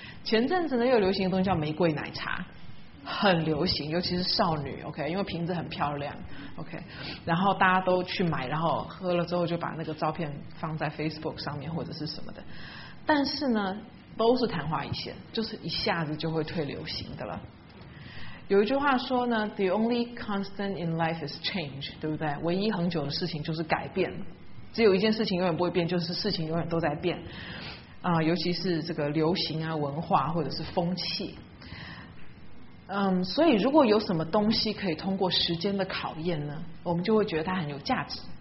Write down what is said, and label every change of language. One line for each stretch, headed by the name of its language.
Chinese: 前阵子呢又流行的东西叫玫瑰奶茶，很流行，尤其是少女 ，OK， 因为瓶子很漂亮 ，OK， 然后大家都去买，然后喝了之后就把那个照片放在 Facebook 上面或者是什么的，但是呢，都是昙花一现，就是一下子就会退流行的了。有一句话说呢，
English: The only constant in life is change，
Chinese: 对不对？唯一恒久的事情就是改变，只有一件事情永远不会变，就是事情永远都在变尤其是这个流行啊、文化或者是风气。所以如果有什么东西可以通过时间的考验呢，我们就会觉得它很有价值。